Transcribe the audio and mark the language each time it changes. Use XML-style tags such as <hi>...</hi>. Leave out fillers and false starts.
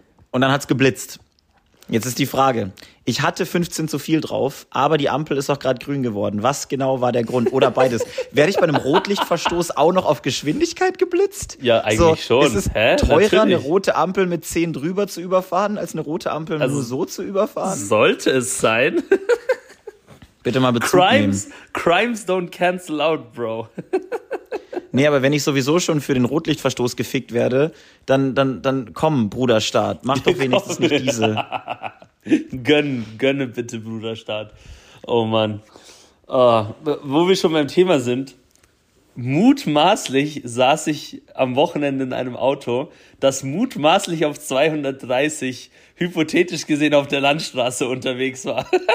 <de>Und dann hat's geblitzt. Jetzt ist die Frage. Ich hatte 15 zu viel drauf, aber die Ampel ist auch gerade grün geworden. Was genau war der Grund? Oder beides? Werde ich bei einem Rotlichtverstoß auch noch auf Geschwindigkeit geblitzt? Ja, eigentlich so, schon. Ist es teurer, eine rote Ampel mit 10 drüber zu überfahren, als eine rote Ampel nur so zu überfahren? Sollte es sein. Bitte mal Bezug nehmen.</de> <en>Crimes don't cancel out, bro.</en> <de>Nee, aber wenn ich sowieso schon für den Rotlichtverstoß gefickt werde, dann komm, Bruderstaat, mach doch wenigstens nicht diese. Gönne bitte, Bruderstaat. Oh Mann. Oh, wo wir schon beim Thema sind, mutmaßlich saß ich am Wochenende in einem Auto, das mutmaßlich auf 230 hypothetisch gesehen auf der Landstraße unterwegs war.</de>